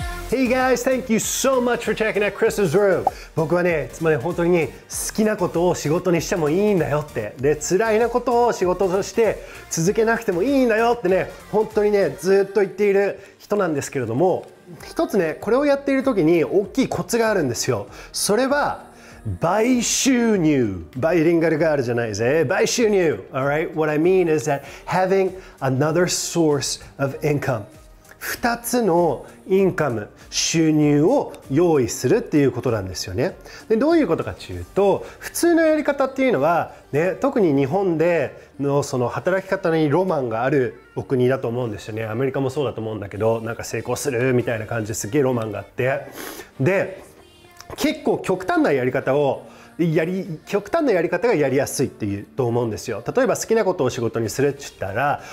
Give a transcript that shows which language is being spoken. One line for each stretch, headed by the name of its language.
English: Hey guys, thank you so much for checking out Chris's room.
Japanese: 僕はね、いつもね、本当に好きなことを仕事にしてもいいんだよって、で、辛いなことを仕事として続けなくてもいいんだよってね、本当にね、ずっと言っている人なんですけれども、一つね、これをやっている時に大きいコツがあるんですよ。それは、by 収入。バイリンガルガールじゃないぜ。
English: by 収入。All right? What I mean is that having another source of income.
Japanese: 2つのインカム、収入を用意するっていうことなんですよね。で、どういうことかというと、普通のやり方っていうのは、ね、特に日本でのその働き方にロマンがあるお国だと思うんですよね。アメリカもそうだと思うんだけど、なんか成功するみたいな感じですげえロマンがあって、で、結構極端なやり方を極端なやり方がやりやすいっていうと思うんですよ。例えば好きなことを仕事にするって言ったら